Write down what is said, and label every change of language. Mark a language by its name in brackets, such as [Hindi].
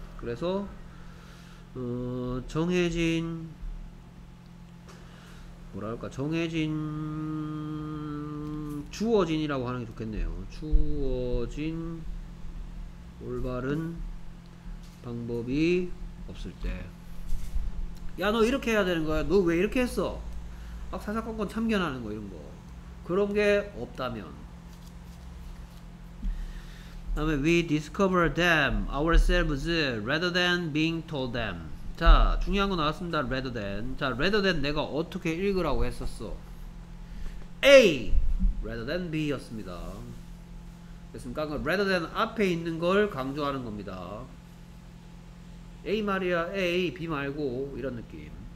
[Korean] 그래서 정해진 뭐랄까 정해진 주어진이라고 하는 게 좋겠네요. 주어진 올바른 방법이 없을 때. 야, 너 이렇게 해야 되는 거야? 너왜 이렇게 했어? 막 사사건건 참견하는 거, 이런 거. 그런 게 없다면. 다음에, [English] we discover them ourselves rather than being told them. [Korean] 자, 중요한 거 나왔습니다. rather than. 자, rather than 내가 어떻게 읽으라고 했었어? A! rather than B 였습니다. 됐습니까? 그 rather than 앞에 있는 걸 강조하는 겁니다. A 말이야, A, B 말고, 이런 느낌.